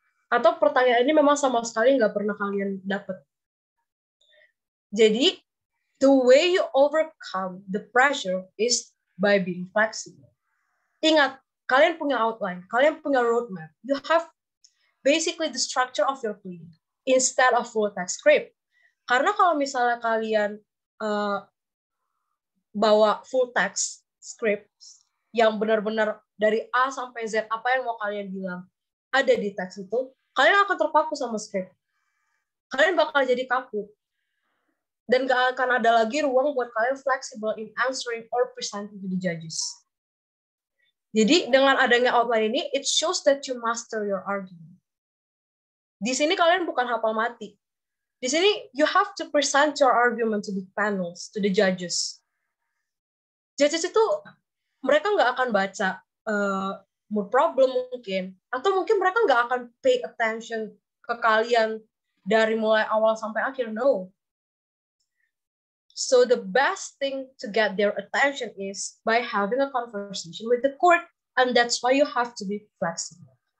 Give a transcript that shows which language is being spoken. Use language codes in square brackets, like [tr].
[id] Atau pertanyaan ini memang sama sekali nggak pernah kalian dapat. Jadi, [en] the way you overcome the pressure is by being flexible. [id] Ingat, kalian punya outline, kalian punya roadmap. [en] You have basically the structure of your plan instead of full text script. [id] Karena kalau misalnya kalian bawa full text script yang benar-benar dari A sampai Z, apa yang mau kalian bilang ada di teks itu, kalian akan terpaku sama script. Kalian bakal jadi kaku. Dan gak akan ada lagi ruang buat kalian [en] flexible in answering or presenting to the judges. [id] Jadi, dengan adanya outline ini, [en] it shows that you master your argument. [id] Di sini kalian bukan hafal mati. Di sini, [en] you have to present your argument to the panels, to the judges. [id] Judges itu, mereka gak akan baca mood problem mungkin, atau mungkin mereka nggak akan [en] pay attention [id] ke kalian dari mulai awal sampai akhir, [en] no. So the best thing to get their attention is by having a conversation with the court, and that's why you have to be flexible.